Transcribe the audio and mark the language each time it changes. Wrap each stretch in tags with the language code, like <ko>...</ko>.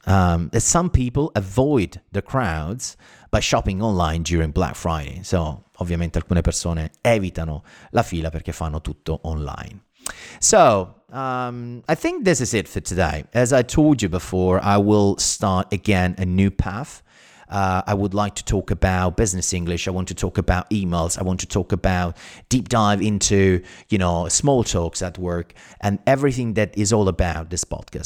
<en>As some people avoid the crowds by shopping online during Black Friday.</en> <it>So, ovviamente alcune persone evitano la fila perché fanno tutto online.</it> <en>So, I think this is it for today. As I told you before, I will start again a new path. I would like to talk about business English. I want to talk about emails. I want to talk about deep dive into, you know, small talks at work and everything that is all about this podcast.</en>